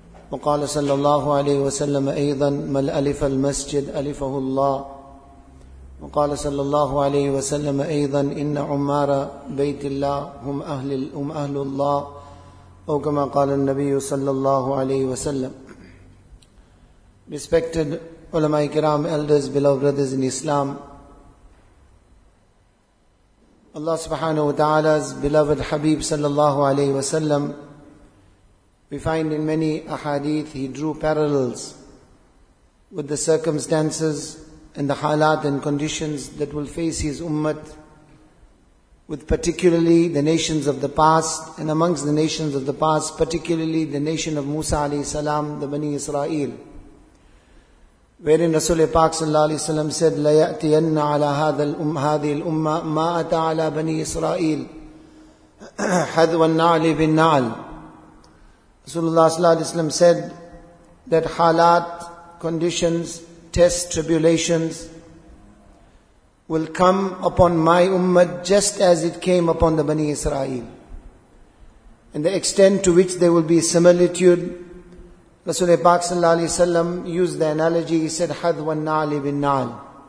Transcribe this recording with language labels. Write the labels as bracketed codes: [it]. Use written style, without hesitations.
[ar] وقال صلى الله عليه وسلم أيضا: من ألف المسجد ألفه الله. وقال صلى الله عليه وسلم أيضا: إن عمار بيت الله هم أهل الله، أو كما قال النبي صلى الله عليه وسلم. [en] Respected ulama kiram, elders, beloved brothers in Islam, Allah subhanahu wa ta'ala's beloved Habib sallallahu alayhi wa sallam, we find in many ahadith he drew parallels with the circumstances and the halat and conditions that will face his ummah, with particularly the nations of the past, and amongst the nations of the past, particularly the nation of Musa alayhi salam, the Bani Israel. Wherein Rasulullah Pak sallallahu alayhi wa sallam said: [ar] لَا يَأْتِيَنَّ عَلَى هَذِي الْأُمَّةِ مَا أَتَى عَلَى بَنِي إِسْرَائِيلِ حَذْوَ النَّعْلِ بِالنَّعْلِ. [en] Rasulullah sallallahu alayhi wa sallam said that halat, conditions, tests, tribulations will come upon my ummah just as it came upon the Bani Israel. And the extent to which there will be similitude, Rasulullah Pak sallallahu alayhi wa sallam used the analogy, he said, [ar] حَذْوَ النَّعْلِ بِالنَّعْلِ.